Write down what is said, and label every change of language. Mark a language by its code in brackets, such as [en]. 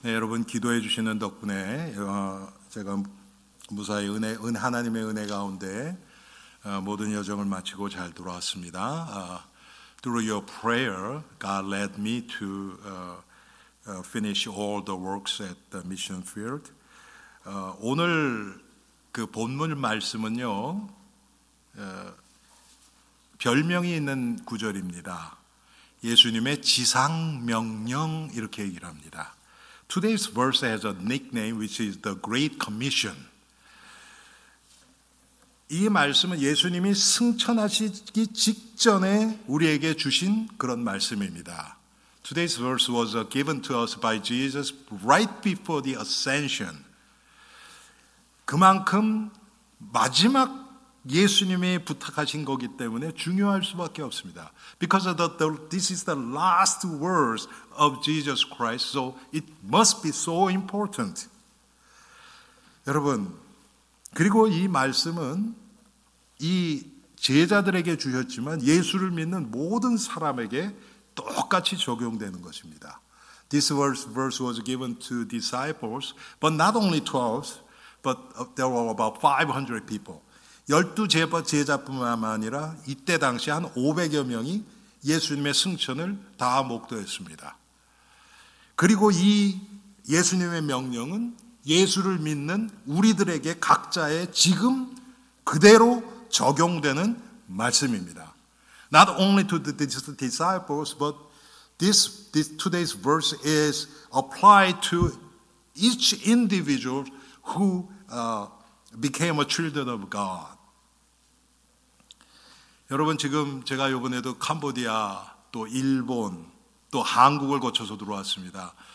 [ko] 네, 여러분 기도해 주시는 덕분에 제가 무사히 하나님의 은혜 가운데 모든 여정을 마치고 잘 돌아왔습니다. [en] Through your prayer, God led me to finish all the works at the mission field. [ko] 오늘 그 본문 말씀은요, 별명이 있는 구절입니다. 예수님의 지상명령 이렇게 얘기를 합니다. [en] Today's verse has a nickname, which is the Great Commission. [ko] 이 말씀은 예수님이 승천하시기 직전에 우리에게 주신 그런 말씀입니다. [en] Today's verse was given to us by Jesus right before the ascension. [ko] 그만큼 마지막 예수님이 부탁하신 거기 때문에 중요할 수밖에 없습니다. [en] Because this is the last words of Jesus Christ, so it must be so important. [ko] 여러분, 그리고 이 말씀은 이 제자들에게 주셨지만 예수를 믿는 모든 사람에게 똑같이 적용되는 것입니다. [en] This verse was given to disciples, but not only 12, but there were about 500 people. [ko] 열두 제자뿐만 아니라 이때 당시 한 500여 명이 예수님의 승천을 다 목도했습니다. 그리고 이 예수님의 명령은 예수를 믿는 우리들에게 각자의 지금 그대로 적용되는 말씀입니다. [en] Not only to the disciples, but today's verse is applied to each individual who became a children of God. [ko] 여러분 지금 제가 이번에도 캄보디아 또 일본 또 한국을 거쳐서 들어왔습니다.